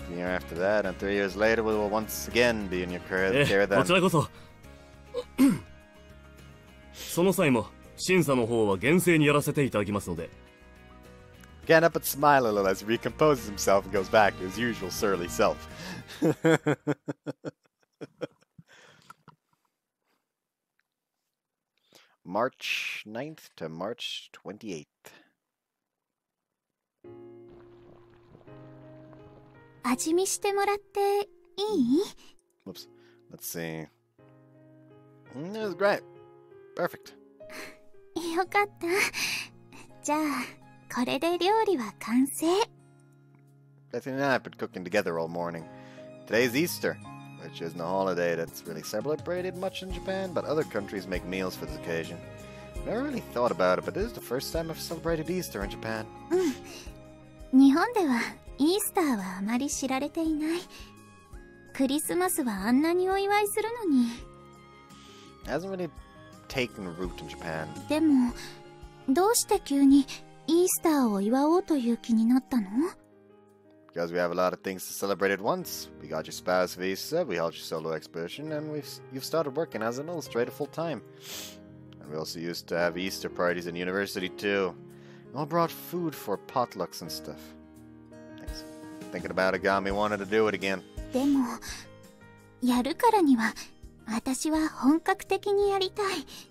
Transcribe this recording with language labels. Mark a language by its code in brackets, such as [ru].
[en] Year after that, and 3 years later, we will once again be in your care then. [ja] こちらこそ。その際も、審査の方は厳正にやらせていただきますので。 [en] Again, up and smile a little as he recomposes himself and goes back to his usual surly self. March 9th to March 28th. [ja] 味見してもらっていい? [en] Whoops. Let's see. It was great. Perfect. [ja] よかった。じゃあ…これで料理は完成。 [en] Bethly and I have been cooking together all morning. Today is Easter, which isn't a holiday that's really celebrated much in Japan, but other countries make meals for this occasion. Never really thought about it, but this is the first time I've celebrated Easter in Japan. [ja] うん。日本ではイースターはあまり知られていない。クリスマスはあんなにお祝いするのに。 [en] Hasn't really taken root in Japan. [ja] でも、どうして急にイースターを祝おうという気になったの？ [en] Because we have a lot of things to celebrate at once. We got your spouse visa, we held your solo exhibition, and you've started working as an illustrator full time. And we also used to have Easter parties in university too. We all brought food for potlucks and stuff. Thanks. Thinking about it got me wanting to do it again. [ja] でも、やるからには、私は本格的にやりたい。